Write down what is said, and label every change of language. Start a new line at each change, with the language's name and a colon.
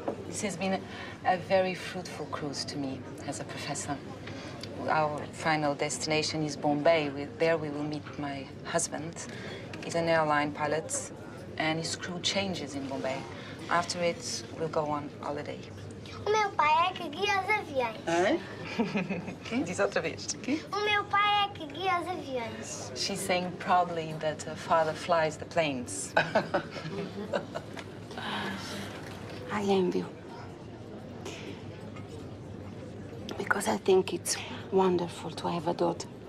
English: This has been a very fruitful cruise to me as a professor. our final destination is Bombay. There we will meet my husband. He's an airline pilot, and his crew changes in Bombay. After it, we'll go on holiday.
Portuguese: O meu pai é que guia os aviões. Quem? Diz outra vez. O meu pai é que guia os aviões.
English: She's saying probably that her father flies the planes. I envy you. Because I think it's wonderful to have a daughter.